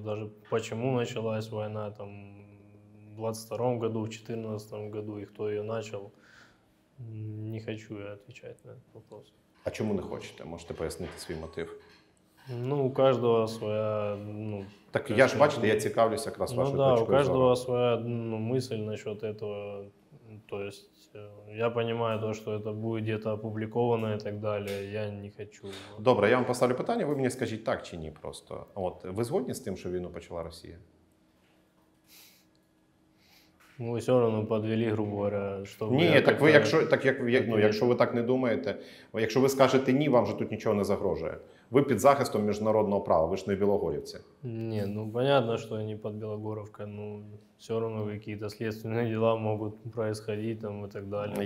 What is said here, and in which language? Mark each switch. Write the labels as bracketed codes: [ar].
[uk] Даже чому почалась війна там, в 22-му году, в 14-му году, і хто її почав, не хочу я відповідати на цей вопрос. А чому не хочете? Можете пояснити свій мотив? Ну, у кожного своя... Ну, так я ж бачите, я цікавлюся якраз вашою точкою. [ru] Ну, да, у кожного своя мисль насчет этого. То есть, я понимаю то, что это будет где-то опубликовано и так далее, я не хочу. [uk] Добре, я вам поставлю питання, ви мені скажіть так чи ні просто. От, ви згодні з тим, що війну почала Росія? [ru] Ну, все равно подвели, грубо говоря. [uk] Ні, так ви, якщо, так, як, ну, якщо ви так не думаєте, якщо ви скажете ні, вам же тут нічого не загрожує. Ви під захистом міжнародного права, ви ж не білогорівці. Ні, ну, понятно, що не під Білогорівка, ну, [ru] все равно [uk] якісь слідчі діла можуть відбуватися там і так далі.